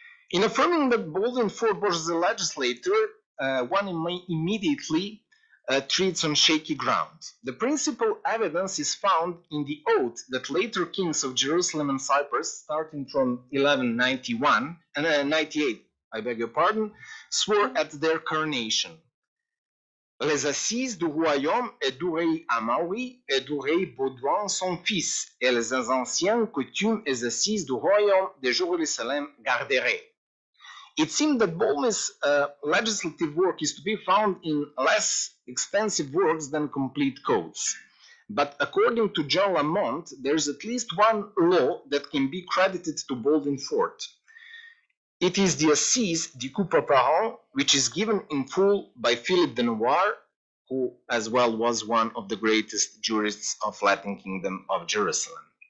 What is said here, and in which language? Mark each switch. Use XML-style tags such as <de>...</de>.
<en>In affirming that Baldwin fought for the legislature, one may immediately treads on shaky ground. The principal evidence is found in the oath that later kings of Jerusalem and Cyprus, starting from 1198, swore at their coronation.</en> <fr>Les assises du royaume et du rey Amaury et du rey Baudouin son fils et les anciens coutumes et assises du royaume de Jérusalem garderaient.</fr> <en>It seemed that Baldwin's legislative work is to be found in less extensive works than complete codes. But according to John Lamont, there is at least one law that can be credited to Baldwin Fort. It is the assise du coup préparant, which is given in full by Philip de Noir, who as well was one of the greatest jurists of Latin Kingdom of Jerusalem.</en>